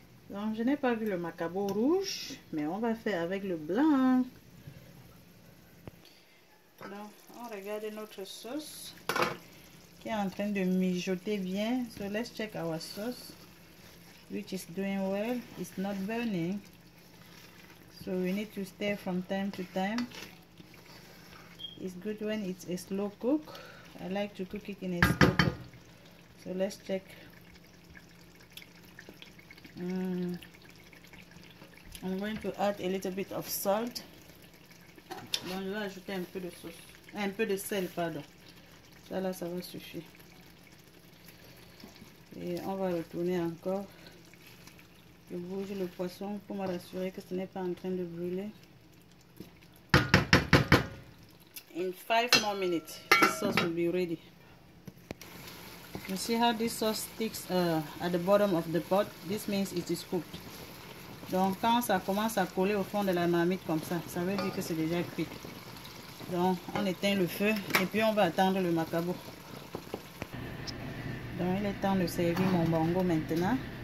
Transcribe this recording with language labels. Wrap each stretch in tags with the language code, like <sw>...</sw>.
<fr>Donc je n'ai pas vu le macabo rouge, mais on va faire avec le blanc. Donc on regarde notre sauce qui est en train de mijoter bien.</fr> <en>So let's check our sauce, which is doing well. It's not burning. So we need to stir from time to time. It's good when it's a slow cook. I like to cook it in a slow cook. So let's check. I'm going to add a little bit of salt.</en> <fr>Donc je vais ajouter un peu de sauce, un peu de sel, pardon. Ça là, ça va suffire. Et on va retourner encore. Je bouge le poisson pour me rassurer que ce n'est pas en train de brûler.</fr> <en>In 5 more minutes, this sauce will be ready. You see how this sauce sticks at the bottom of the pot? This means it is cooked.</en> <fr>Donc quand ça commence à coller au fond de la marmite comme ça, ça veut dire que c'est déjà cuit. Donc on éteint le feu et puis on va attendre le macabo. Donc il est temps de servir mon bongo maintenant.</fr>